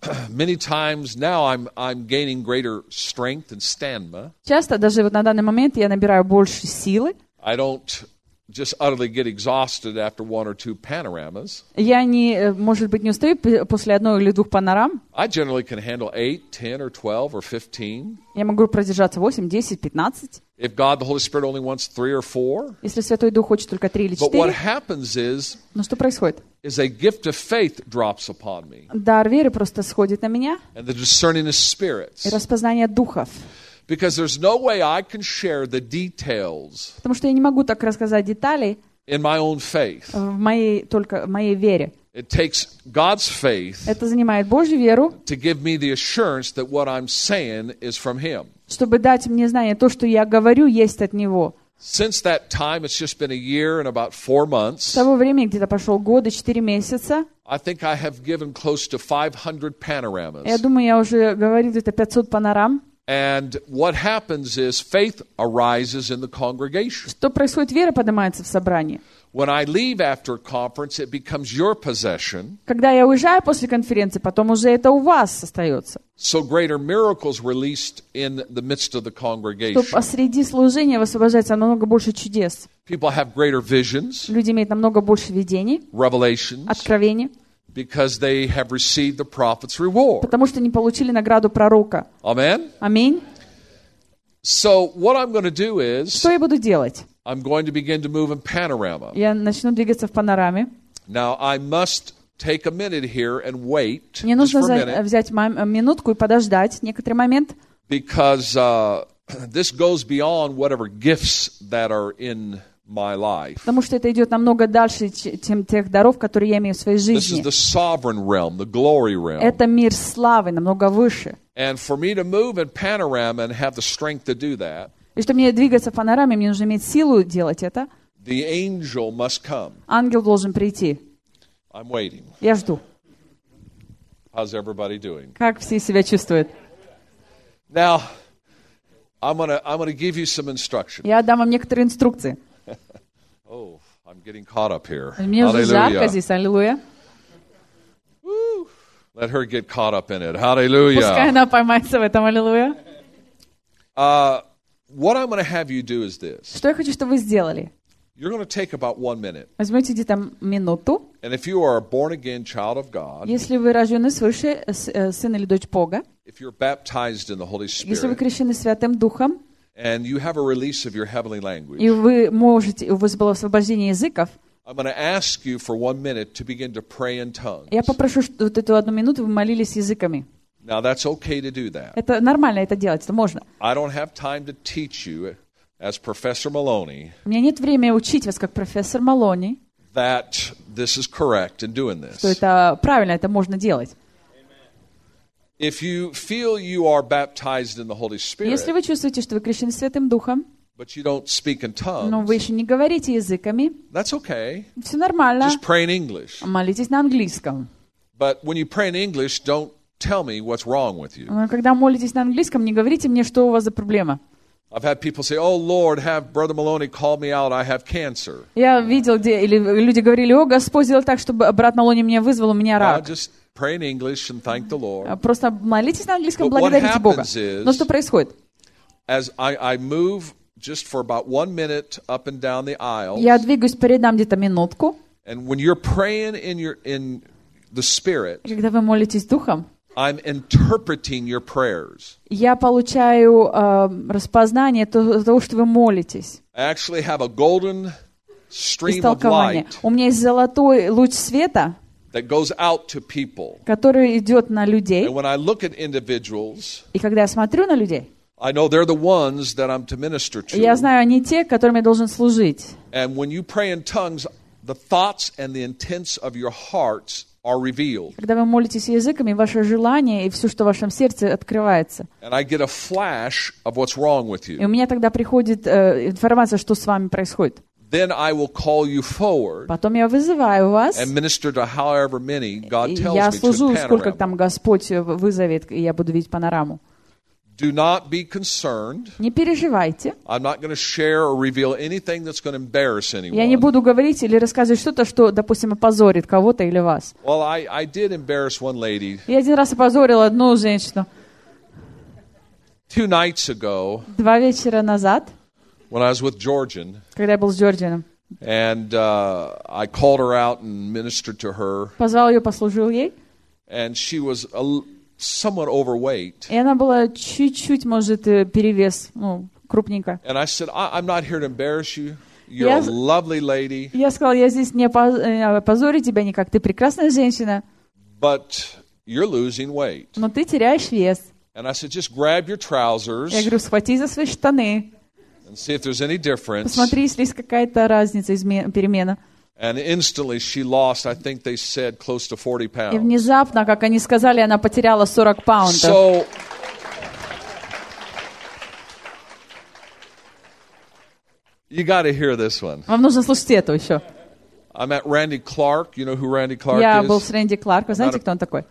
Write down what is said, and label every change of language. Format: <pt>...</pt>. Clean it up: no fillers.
<en>Many times now I'm gaining greater strength and stamina.</en> <ru>Часто даже вот на данный момент я набираю больше силы.</ru> <en>I don't just utterly get exhausted after 1 or 2 panoramas.</en> <ru>Я не, может быть, не устаю после 1 или 2 панорам.</ru> <en>I generally can handle 8, 10, or 12, or 15.</en> <ru>Я могу продержаться 8, 10, 15.</ru> <en>If God, the Holy Spirit, only wants 3 or 4.</en> <ru>Если Святой Дух хочет только 3 или 4.</ru> <en>But what happens is?</en> <ru>Но что происходит?</ru> <en>Is a gift of faith drops upon me.</en> <ru>Дар веры просто сходит на меня.</ru> <en>And the discerning of spirits.</en> <ru>И распознание духов.</ru> <en>Because there's no way I can share the details.</en> <ru>Потому что я не могу так рассказать детали.</ru> <en>In my own faith.</en> <ru>В моей вере.</ru> <en>It takes God's faith.</en> <ru>Это занимает Божью веру.</ru> <en>To give me the assurance that what I'm saying is from Him.</en> <ru>Чтобы дать мне знание, то, что я говорю, есть от Него.</ru> <en>Since that time, it's just been a year and about 4 months.</en> <ru>С того времени где-то прошел год и 4 месяца.</ru> <en>I think I have given close to 500 panoramas.</en> <ru>Я думаю, я уже говорил где-то 500 панорам.</ru> <en>And what happens is faith arises in the congregation.</en> <ru>Что происходит, вера поднимается в собрании.</ru> <en>When I leave after a conference, it becomes your possession.</en> <ru>Когда я уезжаю после конференции, потом уже это у вас остается.</ru> <en>So greater miracles released in the midst of the congregation.</en> <ru>Что посреди служения высвобождается намного больше чудес.</ru> <en>People have greater visions.</en> <ru>Люди имеют намного больше видений.</ru> <en>Revelations.</en> <ru>Откровений.</ru> <en>Because they have received the prophet's reward.</en> <ru>Потому что они получили награду пророка.</ru> <en>Amen.</en> <ru>Аминь.</ru> <en>So what I'm going to do is.</en> <ru>Что я буду делать?</ru> <en>I'm going to begin to move in panorama.</en> <ru>Я начну двигаться в панораме.</ru> <en>Now I must take a minute here and wait.</en> <ru>Мне нужно взять минутку и подождать некоторый момент.</ru> <en>Because this goes beyond whatever gifts that are in my life.</en> <ru>Потому что это идет намного дальше, чем тех даров, которые я имею в своей жизни.</ru> <en>This is the sovereign realm, the glory realm.</en> <ru>Это мир славы, намного выше.</ru> <en>And for me to move in panorama and have the strength to do that.</en> <ru>И чтобы мне двигаться в панораме, мне нужно иметь силу делать это.</ru> <en>The angel must come.</en> <ru>Ангел должен прийти.</ru> <en>I'm waiting.</en> <ru>Я жду.</ru> <en>How's everybody doing?</en> <ru>Как все себя чувствуют?</ru> <en>Now, I'm gonna give you some instructions.</en> <ru>Я дам вам некоторые инструкции.</ru> <en>Oh, I'm getting caught up here.</en> <ru>Мне уже жарко здесь, аллилуйя.</ru> <en>Let her get caught up in it. Hallelujah.</en> <ru>Пускай она поймается в этом, аллилуйя.</ru> <en>What I'm going to have you do is this.</en> <ru>Что я хочу, чтобы вы сделали?</ru> <en>You're going to take about 1 minute.</en> <ru>Возьмете где-то минуту.</ru> <en>And if you are a born again child of God.</en> <ru>Если вы рождены свыше, сын или дочь Бога.</ru> <en>If you're baptized in the Holy Spirit.</en> <ru>Если вы крещены Святым Духом.</ru> <en>And you have a release of your heavenly language.</en> <ru>И вы можете, у вас было освобождение языков.</ru> <en>I'm going to ask you for 1 minute to begin to pray in tongues.</en> <ru>Я попрошу вот эту 1 минуту, вы молились языками.</ru> <en>Now that's okay to do that.</en> <ru>Это нормально это делать, это можно.</ru> <en>I don't have time to teach you as Professor Maloney.</en> <ru>У меня нет времени учить вас как профессор Малони.</ru> <en>That this is correct in doing this.</en> <ru>Что это правильно, это можно делать.</ru> <en>If you feel you are baptized in the Holy Spirit.</en> <ru>Если вы чувствуете, что вы крещены Святым Духом.</ru> <en>But you don't speak in tongues.</en> <ru>Но вы еще не говорите языками.</ru> <en>That's okay.</en> <ru>Все нормально.</ru> <en>Just pray in English.</en> <ru>Молитесь на английском.</ru> <en>But when you pray in English, don't tell me what's wrong with you.</en> <ru>Но когда молитесь на английском, не говорите мне, что у вас за проблема.</ru> <en>I've had people say, "Oh Lord, have Brother Maloney call me out. I have cancer."</en> <ru>Я видел, где или люди говорили: "О Господь, сделай так, чтобы брат Малони меня вызвал, у меня рак."</ru> <en>Just pray in English and thank the Lord.</en> <ru>Просто молитесь на английском, благодарите Бога. Но что происходит?</ru> <en>As I move. Just for about 1 minute up and down the aisle.</en> <ru>Я двигаюсь по рядам где-то минутку.</ru> <en>And when you're praying in the spirit.</en> <ru>Когда вы молитесь духом.</ru> <en>I'm interpreting your prayers.</en> <ru>Я получаю распознание того, что вы молитесь.</ru> <en>I actually have a golden stream of light.</en> <ru>У меня есть золотой луч света.</ru> <en>That goes out to people.</en> <ru>Который идет на людей.</ru> <en>And when I look at individuals.</en> <ru>И когда я смотрю на людей.</ru> <en>I know they're the ones that I'm to minister to.</en> <ru>Я знаю, они те, которым я должен служить.</ru> <en>And when you pray in tongues, the thoughts and the intents of your hearts are revealed.</en> <ru>Когда вы молитесь языками, ваши желания и все, что в вашем сердце, открывается.</ru> <en>And I get a flash of what's wrong with you.</en> <ru>И у меня тогда приходит информация, что с вами происходит.</ru> <en>Then I will call you forward.</en> <ru>Потом я вызываю вас.</ru> <en>And minister to however many God tells me to.</en> <ru>Я служу, сколько там Господь вызовет, и я буду видеть панораму.</ru> <en>Do not be concerned.</en> <ru>Не переживайте.</ru> <en>I'm not going to share or reveal anything that's going to embarrass anyone.</en> <ru>Я не буду говорить или рассказывать что-то, что, допустим, опозорит кого-то или вас.</ru> <en>Well, I did embarrass one lady.</en> <ru>Я один раз опозорил одну женщину.</ru> <en>2 nights ago.</en> <ru>2 вечера назад.</ru> <en>When I was with Georgian.</en> <ru>Когда я был с Джорджином.</ru> <en>And I called her out and ministered to her.</en> <ru>Позвал ее, послужил ей.</ru> <en>And she was a somewhat overweight.</en> <ru>И она была чуть-чуть, может, перевес, ну, крупненько.</ru> <en>And I said, I'm not here to embarrass you. You're a lovely lady.</en> <ru>Я сказал, я здесь не позорю тебя никак. Ты прекрасная женщина.</ru> <en>But you're losing weight.</en> <ru>Но ты теряешь вес.</ru> <en>And I said, just grab your trousers.</en> <ru>Я говорю, схвати за свои штаны.</ru> <en>And see if there's any difference.</en> <ru>Посмотри, если есть какая-то разница, перемена.</ru> <en>And instantly she lost, I think they said, close to 40 pounds.</en> <ru>И внезапно, как они сказали, она потеряла 40 паундов.</ru> <en>So, you got to hear this one.</en> <ru>Вам нужно слушать это еще.</ru> <en>I'm at Randy Clark. You know who Randy Clark</en> <ru>я</ru> <en>is?</en> <ru>Я был с Рэнди Кларк. Вы знаете, кто он такой?</ru>